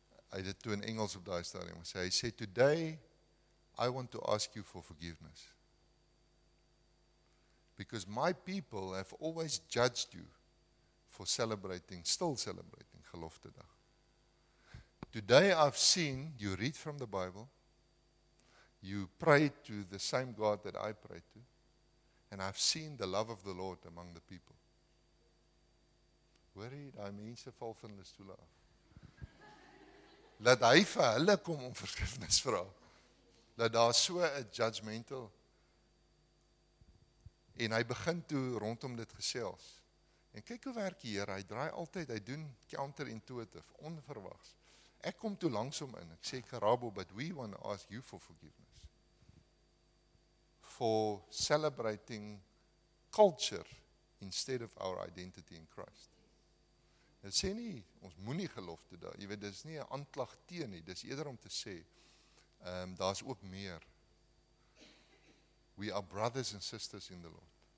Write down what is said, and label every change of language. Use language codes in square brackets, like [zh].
[af] hy het toe in Engels op daai stadium gesê, hy sê, [en] today, I want to ask you for forgiveness, because my people have always judged you for celebrating, still celebrating, Geloftedag. Today I've seen you read from the Bible, you pray to the same God that I pray to, and I've seen the love of the Lord among the people. [af] Hoor jy, daai mense val van hulle stoole af. Laat hy vir hulle kom om vergifnis vra. Laat daar so 'n judgmental. En hy begin toe rondom dit gesels. En kyk hoe werk die Here, hy draai altyd, hy doen counterintuitive, onverwags. Ek kom toe langs hom in, ek sê, [en] Karabo, but we want to ask you for forgiveness. For celebrating culture instead of our identity in Christ. [af] Dit sê nie, ons moenie gelofte daar, jy weet, dit is nie 'n aanklag teen nie, dit is eerder om te sê, daar is ook meer. [en] We are brothers and sisters in the Lord.